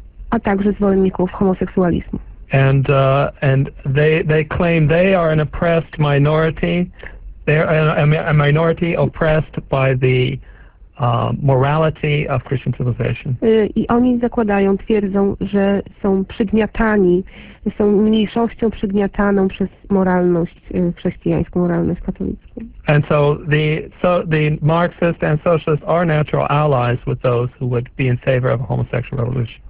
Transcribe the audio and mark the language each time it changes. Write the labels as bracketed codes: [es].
[pl] A także zwolenników homoseksualizmu. [en] And they claim they are an oppressed minority. They are a minority oppressed by the morality of Christian civilization. [pl] I oni zakładają, twierdzą, że są przygniatani, są mniejszością przygniataną przez moralność chrześcijańską, moralność katolicką. [en] And so the Marxist and socialist are natural allies with those who would be in favor of a homosexual revolution.